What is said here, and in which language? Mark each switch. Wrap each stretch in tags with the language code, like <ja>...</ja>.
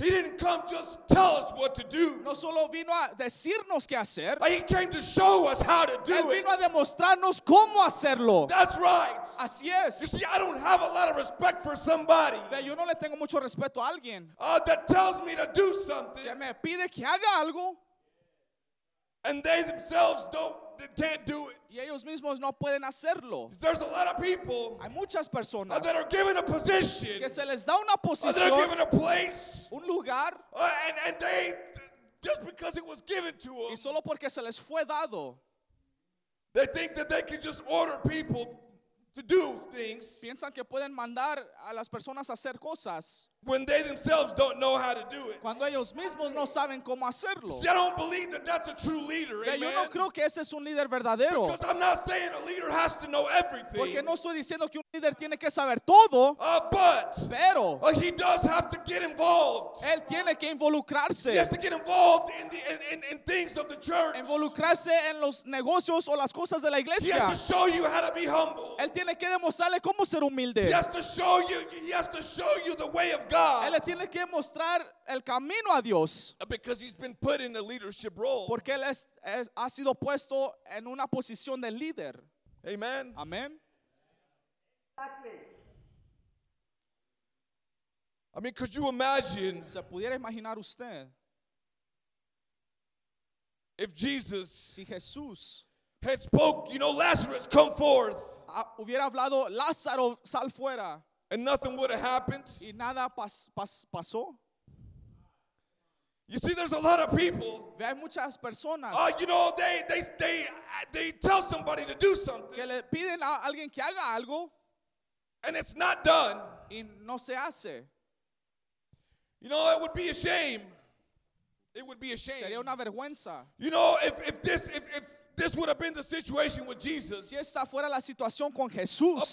<en>he didn't come just to tell us what to do.</en> <es>No solo vino a decirnos qué hacer.</es> <en>But he came to show us how to do it.</en> <es>Él vino a demostrarnos cómo hacerlo.</es> <en>That's right.</en> <es>Así es.</es> <en>You see, I don't have a lot of respect for somebody.</en> <es>Pero yo no le tengo mucho respeto a alguien.</es> <en>That tells me to do something.</en> <es>Que me pide que haga algo.</es> <en>And they themselves don't. They can't do it.</en> <es>Y ellos mismos no pueden hacerlo.</es> <en>There's a lot of people.</en> <es>Hay muchas personas</es> <en>that are given a position.</en> <es>Que se les da una posición.</es> <en>They're given a place.</en> <es>Un lugar.</es> <en>And they just because it was given to them.</en> <es>Y solo porque se les fue dado.</es> <en>They think that they can just order people to do things.</en> <es>Piensan que pueden mandar a las personas a hacer cosas.</es> <en>When they themselves don't know how to do it.</en> <es>Cuando ellos mismos no saben cómo hacerlo.</es> <en>See, I don't believe that that's a true leader, amen.</en> <es>Yo no creo que ese es un líder verdadero.</es> <en>Because I'm not saying a leader has to know everything.</en> <es>Porque no estoy diciendo que un líder tiene que saber todo.</es> <en>But.</en> <es>Pero.</es> <en>He does have to get involved.</en> <es>Él tiene que involucrarse.</es> <en>He has to get involved in things of the church.</en> <es>Involucrarse en los negocios o las cosas de la iglesia.</es> <en>He has to show you how to be humble.</en> <es>Él tiene que demostrarle cómo ser humilde.</es> <en>He has to show you. He has to show you the way of God.</en> <es>Él le tiene que mostrar el camino a Dios.</es> <en>Because he's been put in a leadership role.</en> <es>Porque él ha sido puesto en una posición de líder.</es> <en>Amen.</en> <es>Amen.</es> <en>I mean, could you imagine?</en> <es>¿Se pudiera imaginar usted?</es> <en>If Jesus,</en> <es>si Jesús,</es> <en>had spoke, you know, Lazarus, come forth.</en> <es>Hubiera hablado, Lázaro, sal fuera.</es> <en>And nothing would have happened.</en> <es>Y nada pasó.</es> <en>You see, there's a lot of people.</en> <es>Ve, hay muchas personas.</es> <en>You know, they tell somebody to do something.</en> <es>Que le piden a alguien que haga algo.</es> <en>And it's not done.</en> <es>Y no se hace.</es> <en>You know, it would be a shame. It would be a shame.</en> <es>Sería una vergüenza.</es> <en>You know, if this would have been the situation with Jesus.</en> <es>Si esta fuera la situación con Jesús.</es>